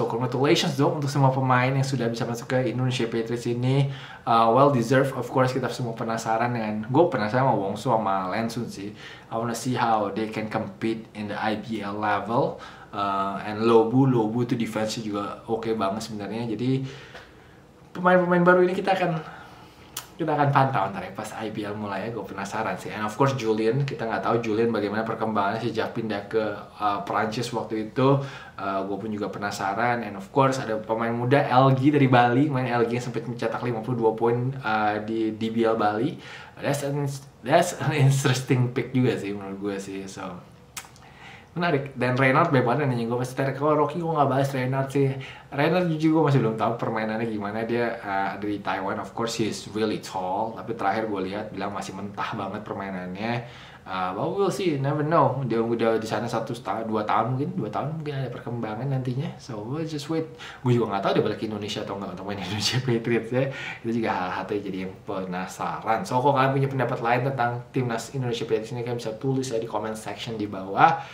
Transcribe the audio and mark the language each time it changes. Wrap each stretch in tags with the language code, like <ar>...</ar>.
<en>So congratulations though</en> <id>untuk semua pemain yang sudah bisa masuk ke Indonesia Patriots ini.</id> <en>Well deserved, of course</en> <id>kita semua penasaran dengan, gue penasaran sama Wong Soo sama Lam Soon sih.</id> <en>I wanna see how they can compete in the IBL level.</en> <id>And Lobu tuh defense-nya juga oke banget sebenarnya. Jadi pemain-pemain baru ini kita akan pantau ntar ya pas IBL mulai ya, gue penasaran sih.</id> <en>And of course</en> <id>Julian, kita gak tahu Julian bagaimana perkembangannya sejak pindah ke Perancis waktu itu. Gue pun juga penasaran.</id> <en>And of course</en> <id>ada pemain muda LG dari Bali, main LG yang sempat mencetak 52 poin di DBL Bali.</id> <en>That's an interesting pick</en> <id>juga sih menurut gue sih. So Menarik. Dan Reinhardt baik banget nanya gue. Maksudnya kalau Rocky gue gak bahas Reinhardt sih. Reinhardt jujur gue masih belum tahu permainannya gimana. Dia dari</id> <en>Taiwan, of course he's really tall.</en> <id>Tapi terakhir gue lihat bilang masih mentah banget permainannya.</id> <en>But we'll see, never know.</en> <id>Dia udah di sana 1 tahun, 2 tahun mungkin. 2 tahun mungkin ada perkembangan nantinya.</id> <en>So we'll just wait.</en> <id>Gue juga gak tahu dia balik ke Indonesia atau enggak. Untuk main Indonesia Patriots ya. Itu juga hal-hal jadi yang penasaran. So kalau kalian punya pendapat lain tentang timnas Indonesia Patriots ini, kalian bisa tulis ya di comment section di bawah.</id>